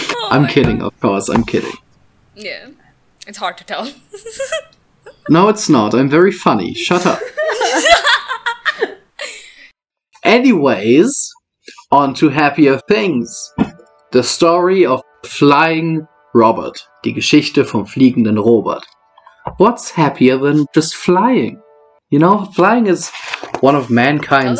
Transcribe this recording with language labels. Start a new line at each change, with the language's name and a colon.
English: I'm kidding, of course. I'm kidding. Yeah. It's hard to tell. No, it's not. I'm very funny. Shut up. Anyways, on to happier things. The story of Flying Robert.
German: Die Geschichte vom fliegenden Robert.
English: What's happier than just flying? You know, flying is one of mankind's...